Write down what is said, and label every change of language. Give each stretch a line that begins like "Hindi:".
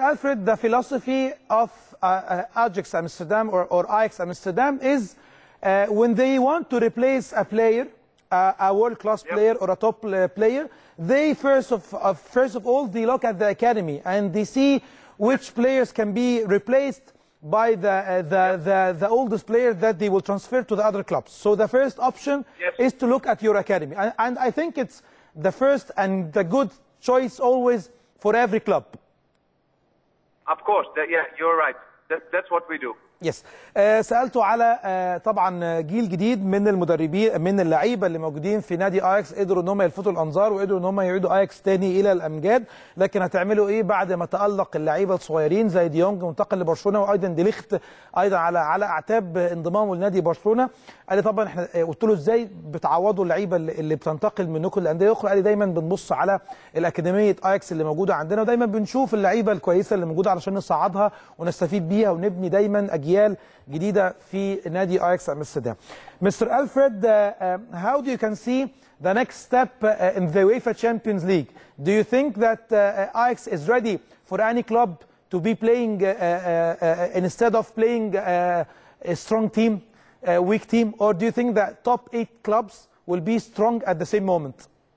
English: Alfred, the philosophy of Ajax Amsterdam or Ajax Amsterdam is when they want to replace a player, a world-class player or a top player, they first of all they look at the academy and they see which players can be replaced by the oldest player that they will transfer to the other clubs. So the first option is to look at your academy. And I think it's the first and the good choice always for every club. Of course. You're right. That's what we do. Yes.
Arabic: سألته على طبعا جيل جديد من المدربين من اللعيبة اللي موجودين في نادي اياكس قدروا ان هم يلفتوا الانظار وقدروا ان هم يعيدوا اياكس تاني الى الامجاد، لكن هتعملوا ايه بعد ما تألق اللعيبة الصغيرين زي ديونج وانتقل لبرشلونة وايضا ديليخت ايضا على اعتاب انضمامه لنادي برشلونة؟ قال لي طبعا احنا قلت له ازاي بتعوضوا اللعيبة اللي بتنتقل منكم لأندية أخرى؟ قال لي دايما بنبص على الأكاديمية اياكس اللي موجودة عندنا ودايما بنشوف اللعيبة الكويسة اللي موجودة علشان نصعدها ونستفيد بيها ونبني دايما أجيال جديدة في نادي اياكس أمستردام.
English: Mister Alfred, how do you can see the next step in the UEFA Champions League? Do you think that Ajax is ready for any club to be playing instead of playing a strong team, a weak team, or do you think that top 8 clubs will be strong at the same moment?